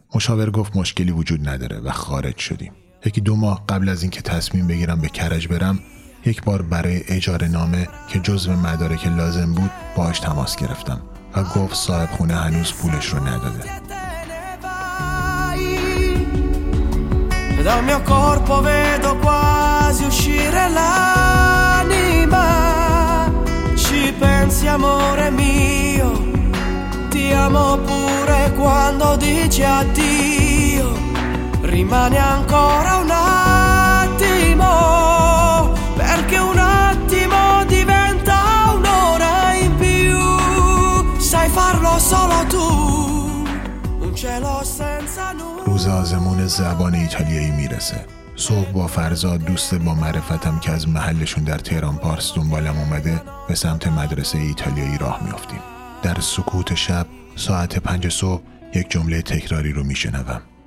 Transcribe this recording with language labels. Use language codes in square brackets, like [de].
[fa] مشاور گفت مشکلی وجود نداره و خارج شدیم. یکی 2 ماه قبل از اینکه تصمیم بگیرم به کرج برم، یک بار برای اجاره نامه که جزء مدارک لازم بود باهاش تماس گرفتم و گفت صاحب خونه هنوز پولش رو نداده. [it] Dal mio corpo vedo quasi uscire l'anima. Ci pensi amore mio, ti amo pure quando dici addio. Rimani ancora un attimo, perché un attimo diventa un'ora in più. Sai farlo solo tu, un cielo senza nu. [fa] روز آزمون زبان ایتالیایی میرسه. صبح با فرزاد، دوست با معرفتم که از محلشون در تهران پارس دنبالم اومده، به سمت مدرسه ایتالیایی راه میافتیم. در سکوت شب ساعت 5 صبح یک جمله تکراری رو میشنوم.